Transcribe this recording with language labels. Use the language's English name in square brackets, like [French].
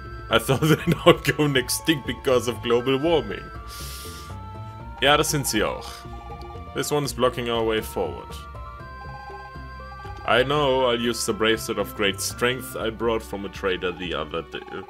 [English] I thought they'd not go extinct because of global warming. [German] Ja, das sind sie auch. [English] This one is blocking our way forward. I know, I'll use the bracelet of great strength I brought from a trader the other day.